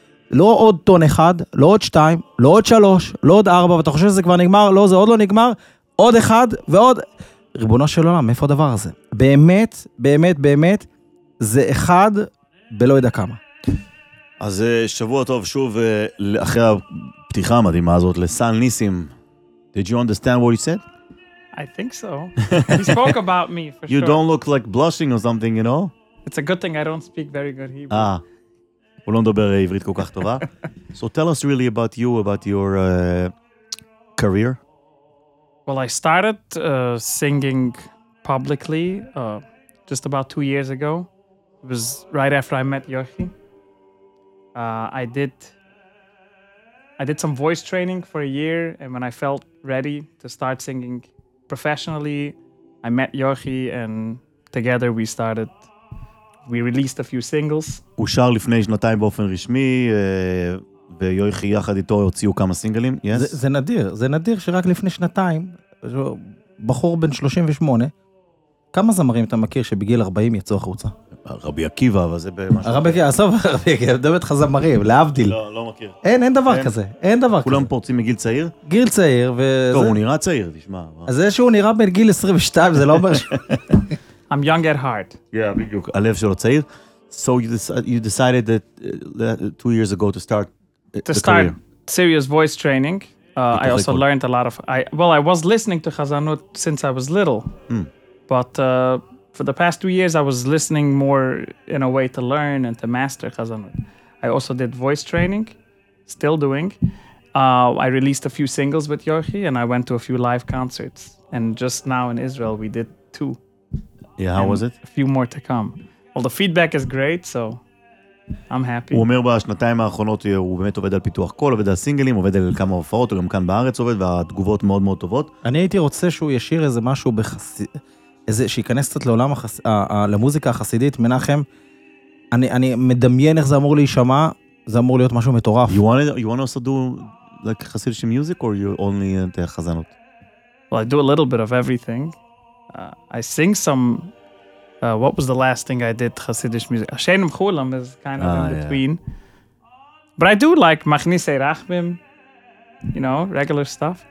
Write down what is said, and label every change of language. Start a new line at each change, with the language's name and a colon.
Hebrew: לא עוד טון אחד, לא עוד שתיים, לא עוד שלוש, לא עוד ארבע, ואתה חושב שזה כבר נגמר, לא, זה עוד לא נגמר, עוד אחד ועוד... ריבונו של עולם, איפה הדבר הזה? באמת, באמת, באמת, זה אחד בלא ידע כמה. אז שבוע טוב שוב, אחרי הפתיחה המדהימה הזאת, לסן ניסים.
English: Did you understand what you said? I think so. He spoke about me, for sure. You don't look like blushing or something, you know? It's a good thing I don't speak very good Hebrew.
Hebrew: הוא לא מדבר עברית כל כך טובה.
English: So tell us really about you, about your career. Well, I started singing publicly just about 2 years ago. It was right after I met Yoshi. I did some voice training for a year, and when I felt ready to start singing professionally, I met Yoshi, and together we started. We released a few singles.
Hebrew: הוא שר לפני שנתיים באופן רשמי, ויוחי יחד איתו הוציאו כמה סינגלים.
English: Yes.
Hebrew: זה נדיר, זה נדיר שרק לפני שנתיים, בחור בן 38, כמה זמרים אתה מכיר שבגיל 40 יצאו החוצה? רבי עקיבא, אבל זה במשהו... רבי עקיבא, עשו רבי עקיבא, אני מדבר איתך זמרים, להבדיל. לא, לא מכיר. אין דבר כזה, אין דבר כזה. כולם פורצים מגיל צעיר? גיל צעיר, וזה... טוב, הוא נראה צעיר, תשמע. אז זה שהוא נראה בן גיל 22, זה לא אומר ש...
English: I'm young at heart.
Hebrew: Yeah, בדיוק. הלב שלו צעיר.
English: So you decided that 2 years ago to start To start serious voice training. I also learned a lot of... I was listening to Chazanut since I was little. But... For the past 2 years, I was listening more in a way to learn and to master Chazanut. I also did voice training, still doing. I released a few singles with Yoshi, and I went to a few live concerts. And just now in Israel, we did 2. Yeah, how was it? A few more to come. Well, the feedback is great, so I'm happy.
Hebrew: הוא אומר בשנתיים האחרונות, הוא באמת עובד על פיתוח קול, עובד על סינגלים, עובד על כמה הופעות, הוא גם כאן בארץ עובד, והתגובות מאוד מאוד טובות. אני הייתי רוצה שהוא ישיר איזה משהו איזה שייכנס קצת לעולם למוזיקה החסידית, מנחם, אני מדמיין איך זה אמור להישמע, זה אמור להיות משהו מטורף.
English: You want to also do like חסידי music, or you only
Hebrew: את החזנות?
English: Well, I do a little bit of everything. I sing some, what was the last thing I did חסידי music? השן מחולם is kind of in between. Yeah. But I do like מכניסי רחמים, you know, regular stuff.